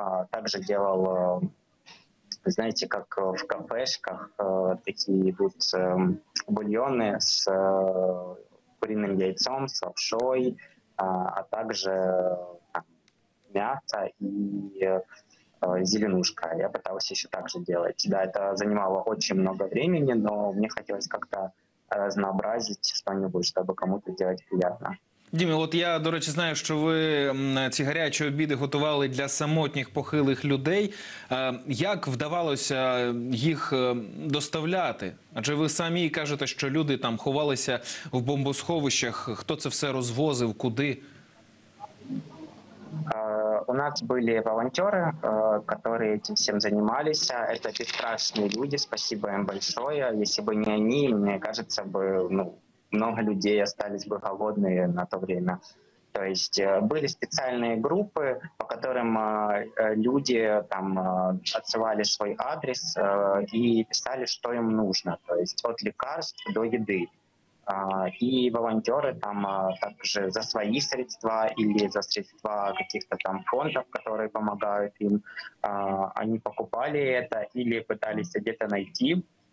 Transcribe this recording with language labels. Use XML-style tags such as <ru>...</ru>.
<ru>Также делал, знаете, как в кафешках, такие идут бульоны с куриным яйцом, с лапшой, а также мясо и зеленушка. Я пытался еще так же делать. Да, это занимало очень много времени, но мне хотелось как-то разнообразить что-нибудь, чтобы кому-то делать приятно.</ru> <uk>Дімі, от я, до речі, знаю, що ви ці гарячі обіди готували для самотніх похилих людей. Як вдавалося їх доставляти? Адже ви самі кажете, що люди там ховалися в бомбосховищах. Хто це все розвозив, куди? У нас були волонтери, які цим займалися. Це безстрашні люди, спасибо їм велике. Якщо б не вони, мені здається, ну,</uk> <ru>много людей остались бы голодные на то время. То есть были специальные группы, по которым люди там отсылали свой адрес и писали, что им нужно. То есть от лекарств до еды. И волонтеры там также за свои средства или за средства каких-то там фондов, которые помогают им, они покупали это или пытались где-то найти.</ru>